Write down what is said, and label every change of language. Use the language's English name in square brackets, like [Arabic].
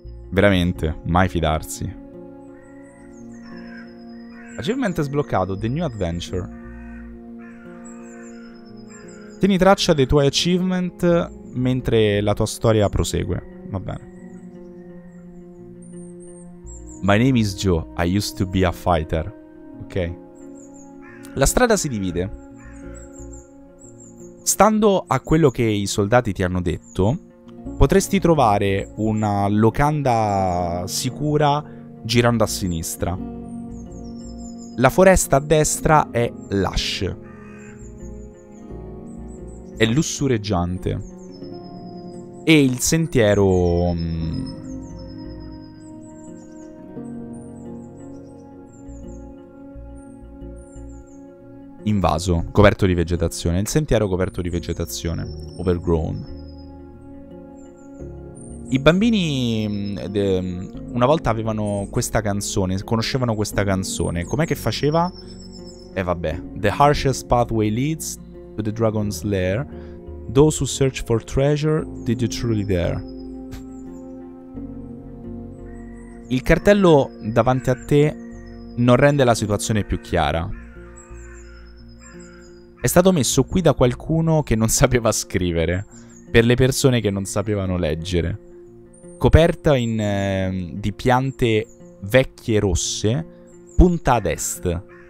[Italian] Veramente, mai fidarsi. Achievement sbloccato, The New Adventure. Tieni traccia dei tuoi achievement mentre la tua storia prosegue. Va bene. [English] My name is Joe, I used to be a fighter. [Italian] Ok. La strada si divide. Stando a quello che i soldati ti hanno detto, potresti trovare una locanda sicura girando a sinistra. La foresta a destra è lush. È lussureggiante. E il sentiero... invaso, coperto di vegetazione. Il sentiero coperto di vegetazione. Overgrown. I bambini una volta avevano questa canzone, conoscevano questa canzone. Com'è che faceva? Vabbè. [English] The harshest pathway leads to the dragon's lair. Those who search for treasure, did you truly dare? [Italian] Il cartello davanti a te non rende la situazione più chiara. È stato messo qui da qualcuno che non sapeva scrivere, per le persone che non sapevano leggere. Coperta di piante vecchie rosse, punta ad est.